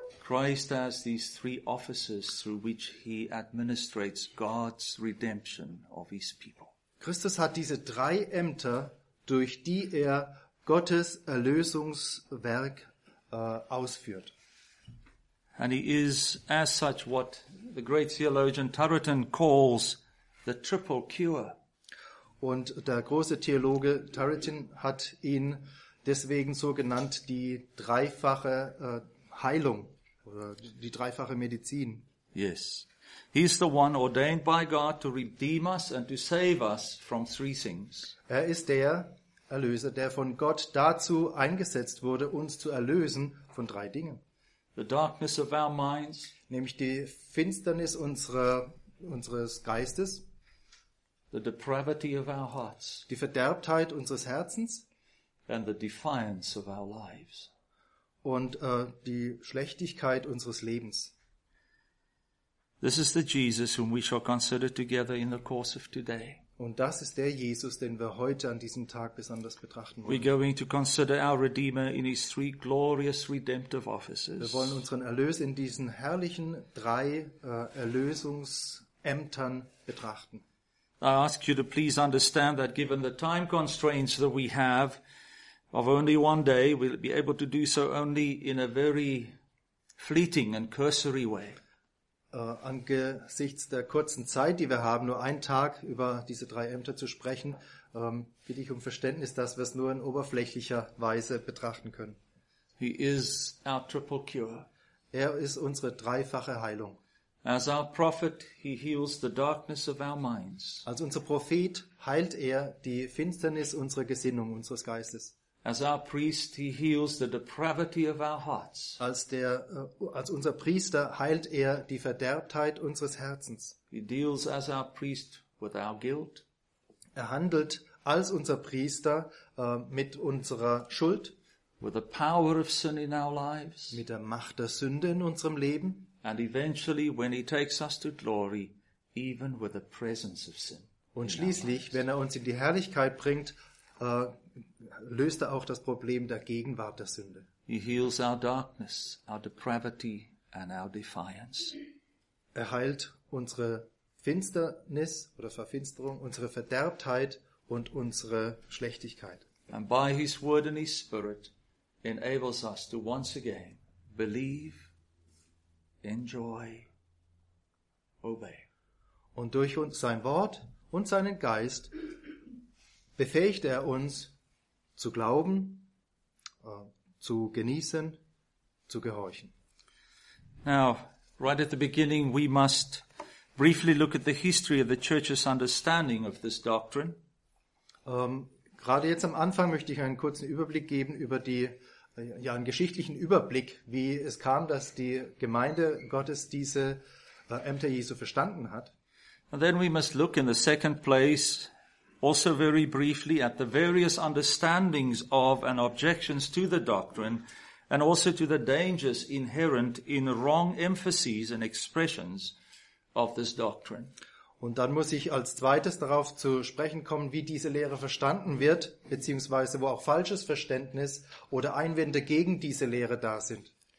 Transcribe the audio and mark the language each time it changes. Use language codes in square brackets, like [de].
[en] Christ has these three offices through which he administrates God's redemption of his people. [de] Christus hat diese drei Ämter, durch die er Gottes Erlösungswerk ausführt. [en] And he is as such what the great theologian Turretin calls the triple cure. [de] Und der große Theologe Turretin hat ihn deswegen so genannt, die dreifache Heilung oder die dreifache Medizin. [en] Yes. He is the one ordained by God to redeem us and to save us from three things. [de] Er ist der Erlöser, der von Gott dazu eingesetzt wurde, uns zu erlösen von drei Dingen. [en] The darkness of our minds, [de] nämlich die Finsternis unseres Geistes, [en] the depravity of our hearts, [de] die Verderbtheit unseres Herzens, [en] and the defiance of our lives, [de] und die Schlechtigkeit unseres Lebens. [en] This is the Jesus whom we shall consider together in the course of today. [de] Und das ist der Jesus, den wir heute an diesem Tag besonders betrachten wollen. [en] We're going to consider our Redeemer in his three glorious redemptive offices. [de] Wir wollen unseren Erlöser in diesen herrlichen drei Erlösungsämtern betrachten. [en] I ask you to please understand that given the time constraints that we have of only one day, we'll be able to do so only in a very fleeting and cursory way. [de] Angesichts der kurzen Zeit, die wir haben, nur einen Tag über diese drei Ämter zu sprechen, bitte ich um Verständnis, dass wir es nur in oberflächlicher Weise betrachten können. [en] He is our triple cure. [de] Er ist unsere dreifache Heilung. [en] As our prophet, he heals the darkness of our minds. [de] Als unser Prophet heilt er die Finsternis unserer Gesinnung, unseres Geistes. [en] As our priest, he heals the depravity of our hearts. [de] Als unser Priester heilt er die Verderbtheit unseres Herzens. [en] He deals as our priest with our guilt. [de] Er handelt als unser Priester mit unserer Schuld. [en] With the power of sin in our lives. [de] Mit der Macht der Sünde in unserem Leben. [en] And eventually, when he takes us to glory, even with the presence of sin. [de] Und schließlich, wenn er uns in die Herrlichkeit bringt, löste auch das Problem der Gegenwart der Sünde. [en] He heals our darkness, our depravity and our defiance. [de] Er heilt unsere Finsternis oder Verfinsterung, unsere Verderbtheit und unsere Schlechtigkeit. [en] And by his word and his spirit enables us to once again believe, enjoy, obey. [de] Und durch uns sein Wort und seinen Geist befähigt er uns, zu glauben, zu genießen, zu gehorchen. [en] Now, right at the beginning, we must briefly look at the history of the church's understanding of this doctrine. [de] Gerade jetzt am Anfang möchte ich einen kurzen Überblick geben über die, ja, einen geschichtlichen Überblick, wie es kam, dass die Gemeinde Gottes diese Ämter Jesu verstanden hat. [en] And then we must look in the second place, also very briefly, at the various understandings of and objections to the doctrine and also to the dangers inherent in wrong emphases and expressions of this doctrine. [de] Und dann muss ich als zweites darauf zu sprechen kommen, wie diese Lehre verstanden wird, beziehungsweise wo auch falsches Verständnis oder Einwände gegen diese Lehre da sind.